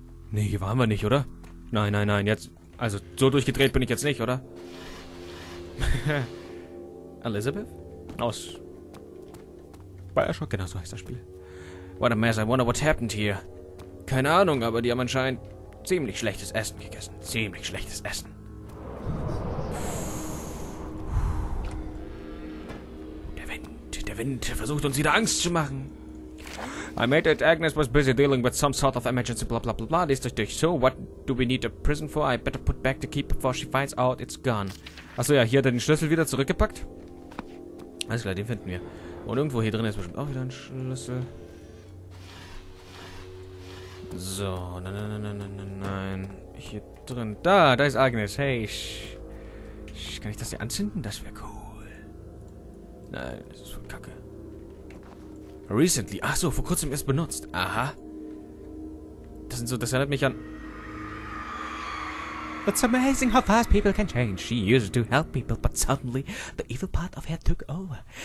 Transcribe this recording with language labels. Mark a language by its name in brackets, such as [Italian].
[German] Nee, hier waren wir nicht, oder? Nein. Jetzt. Also, so durchgedreht bin ich jetzt nicht, oder? Elizabeth? Aus Bioshock, genau so heißt das Spiel. [English] What a mess, I wonder what happened here. [German] Keine Ahnung, aber die haben anscheinend ziemlich schlechtes Essen gegessen. Ziemlich schlechtes Essen. Der Wind versucht uns wieder Angst zu machen. [English] I made it. Agnes was busy dealing with some sort of emergency, blah blah blah blah. [German] Lest euch durch. [English] So, what do we need a prison for? I better put back the key before she finds out it's gone. [German] Achso, ja, hier hat er den Schlüssel wieder zurückgepackt. Alles klar, den finden wir. Und irgendwo hier drin ist bestimmt auch wieder ein Schlüssel. So, nein. Hier drin. Da ist Agnes. Hey, kann ich das hier anzünden? Das wäre cool. Nein, das ist voll kacke. Recently. Ach so, vor kurzem erst benutzt. Aha. Das erinnert mich an. [English] It's amazing how fast people can change. She used to help people, but suddenly the evil part of her took over.